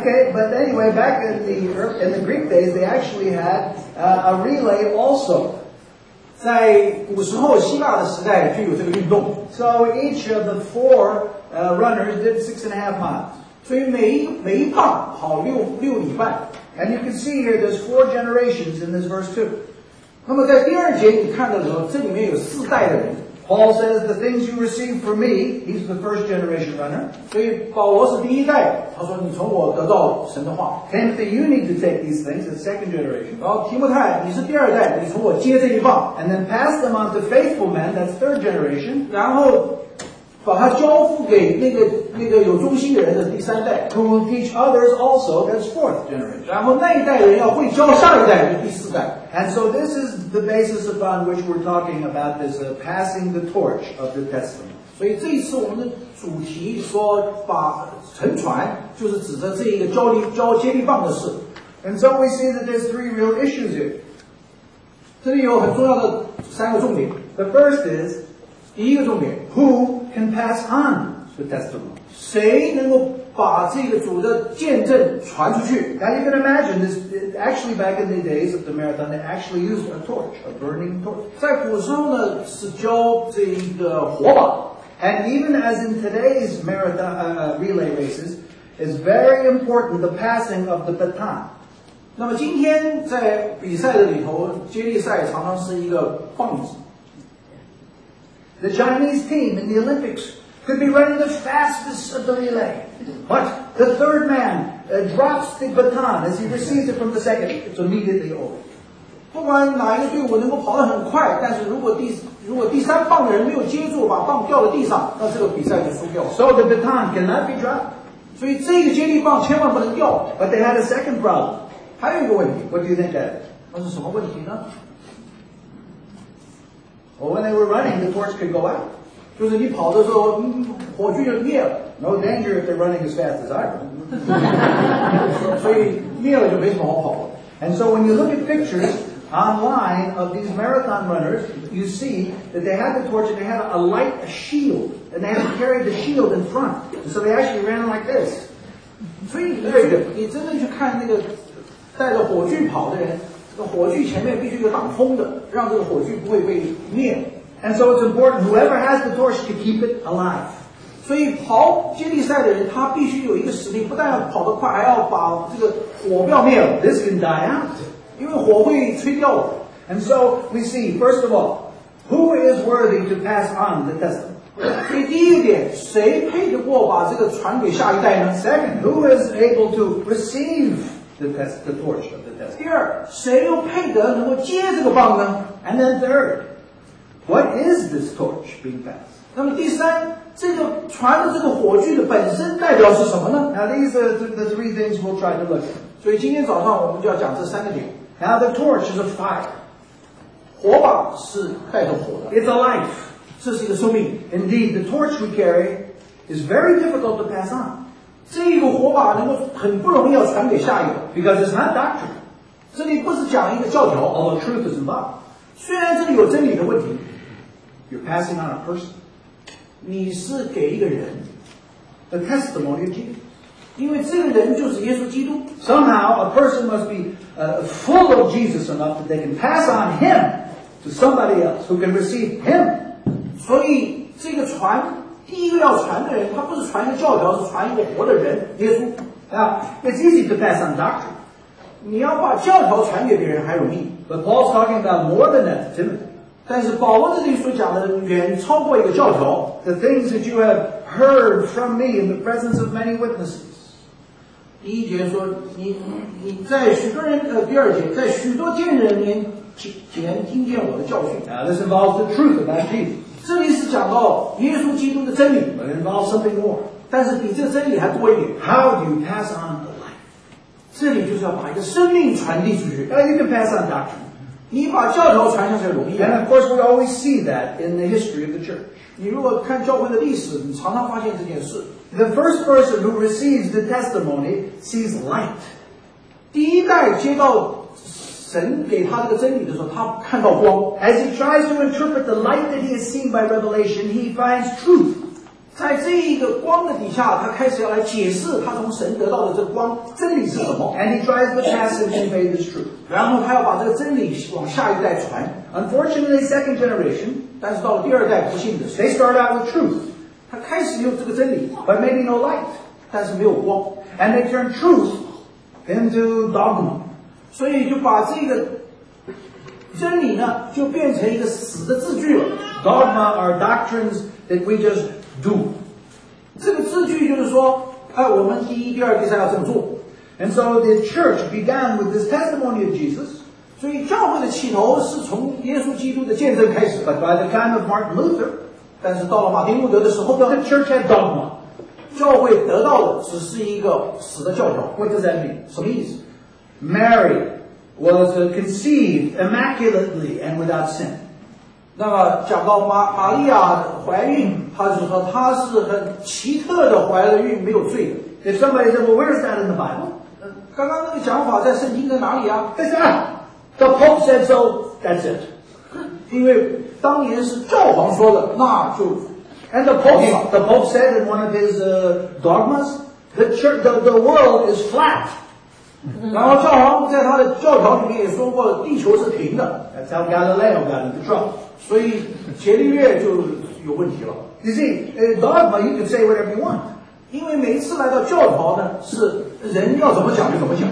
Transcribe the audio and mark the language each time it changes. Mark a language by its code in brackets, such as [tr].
[en] Okay, but anyway, back in the Greek days, they actually had a relay also. [zh] 在古时候希腊的时代就有这个运动。 [en] So each of the four runners did 6.5 miles. [zh] 所以每一棒跑六里半。 [en] And you can see here there's four generations in this verse 2. [zh] 那么在第二节你看到的时候，这里面有四代的人。 [en] Paul says the things you receive from me, he's the first generation runner. [zh] 所以保罗是第一代，他说你从我得到神的话。 [en] Timothy, you need to take these things, the second generation. [zh] 然后提摩太，你是第二代，你从我接这一棒。 [en] And then pass them on to faithful men, that's third generation. [zh] 然后把它交付给那个有忠心的人的第三代。 [en] Who will teach others also, that's fourth generation. [zh] 然后那一代人要会教下一代的第四代。 [en] And so this is the basis upon which we're talking about this passing the torch of the testimony. [zh] 所以这一次我们的主题说把沉船就是指着这一个交接力棒的事。 [en] And so we see that there's three real issues here. [zh] 这里有很重要的三个重点。 [en] The first is, [zh] 第一个重点 [en] who can pass on the testimony? [zh] 谁能够把这个主的见证传出去。 [en] Now you can imagine this, actually back in the days of the marathon, they actually used a torch, a burning torch. [zh] 在古时候呢是教这个火把。 [en] And even as in today's marathon, relay races, it's very important the passing of the baton. [zh] 那么今天在比赛的里头接力赛常常是一个棒子。 [en] The Chinese team in the Olympics,could be running the fastest of the relay. But the third man drops the baton as he receives it from the second. It's immediately over. [zh] 不管哪一个队伍能够跑得很快，但是如果第三棒的人没有接住，把棒掉了地上，那这个比赛就输掉了。 [en] So the baton cannot be dropped. [zh] 所以这个接力棒千万不能掉。 [en] But they had a second problem. [zh] 还有一个问题。 [en] What do you think that is? [zh] 那是什么问题呢？ [en] Well, when they were running, the torch could go out. [zh] 就是你跑的时候，火炬就灭了。 [en] No danger if they're running as fast as I am. [zh] 所以灭了就没什么好跑了。 [en] And so when you look at pictures online of these marathon runners, you see that they had the torch and they had a light shield. And they had to carry the shield in front. So they actually ran like this. [zh] 所以对的，你真的去看那个带着火炬跑的人，那火炬前面必须有挡风的，让这个火炬不会被灭。 [en] And so it's important, whoever has the torch to keep it alive. [zh] 所以跑接力赛的人他必须有一个使命，不但要跑得快，还要把这个火不要灭了。 [en] This can die out. [zh] 因为火会吹掉。 [en] And so we see, first of all, who is worthy to pass on the testimony? [zh] 所以第一点，谁配得过把这个传给下一代呢？ [en] Second, who is able to receive the test, the torch of the test? [zh] 第二，谁又配得能够接这个棒呢？ [en] And then third, what is this torch being passed? [zh] 那么第三，这个传的这个火炬的本身代表是什么呢？ [en] Now these are the three things we'll try to look at. [zh] 所以今天早上我们就要讲这三个点。 [en] Now the torch is a fire. [zh] 火把是带着火的。 [en] It's a life. [zh] 这是一个生命。 [en] Indeed, the torch we carry is very difficult to pass on. [zh] 这个火把能够很不容易要传给下一个。 [en] Because it's not doctrine. [zh] 这里不是讲一个教条。 [en] Although truth is involved. [zh] 虽然这里有真理的问题。 [en] You're passing on a person. [zh] 你是给一个人 [en] the testimony of Jesus. [zh] 因为这个人就是耶稣基督。 [en] Somehow, a person must be full of Jesus enough that they can pass on him to somebody else who can receive him. [zh] 所以这个传，第一个要传的人，他不是传一个教条，是传一个活的人，耶稣。 [en] It's easy to pass on doctrine. [zh] 你要把教条传给别人还容易。 [en] But Paul's talking about more than that, Timothy. [zh] 但是保罗这里所讲的远超过一个教条。 [en] The things that you have heard from me in the presence of many witnesses. [zh] 第一节说 你在许多人第二节在许多见人面前听见我的教训。 [en] Now this involves the truth about Jesus. [zh] 这里是讲到耶稣基督的真理。 [en] But it involves something more. [zh] 但是比这真理还多一点。 [en] How do you pass on the life? [zh] 这里就是要把一个生命传递出去。 [en] You can pass on doctrine. [zh] 你把教条传下去容易。 [en] And of course, we always see that in the history of the church. [zh] 你如果看教会的历史，你常常发现这件事。 [en] The first person who receives the testimony sees light. [zh] 第一代接到神给他这个真理的时候，他看到光。 [en] As he tries to interpret the light that he has seen by revelation, he finds truth. [zh] 在这一个光的底下，他开始要来解释他从神得到的这光真理是什么。 [en] And he tries to pass it and make this truth. [zh] 然后他要把这个真理往下一代传。 [en] Unfortunately, second generation, [zh] 但是到了第二代不幸的是 [en] they start out with truth. [zh] 他开始有这个真理 [en] but maybe no light. [zh] 但是没有光 [en] and they turn truth into dogma. [zh] 所以就把这个真理呢就变成一个死的字句了。 [en] Dogma are doctrines that we just do. [zh] 这个字句就是说我们第一、第二、第三要这么做。 [en] And so the church began with this testimony of Jesus. [zh] 所以教会的起头是从耶稣基督的见证开始。 [en] But by the time of Martin Luther, [zh] 但是到了马丁路德的时候 [en] the church had dogma. [zh] 教会得到的只是一个死的教条。 [en] What does that mean? [zh] 什么意思？ [en] Mary was conceived immaculately and without sin. [zh] 那么讲到玛利亚怀孕，他就说她是很奇特的怀了孕，没有罪的。 [en] If somebody said, well, where is that in the Bible? [zh] 刚刚那个讲法在圣经在哪里啊 [en] It's not. The Pope said so, that's it. [zh] 因为当年是教皇说的那就 [en] And the Pope said in one of his dogmas, the world is flat. [zh] 然后教皇在他的教条里面也说过地球是平的 [en] That's how Galileo got into trouble. [zh] 所以伽利略就有问题了 [en] You see, a dogma, you can say whatever you want. [zh] 因为每一次来到教堂呢，是人要怎么讲就怎么讲。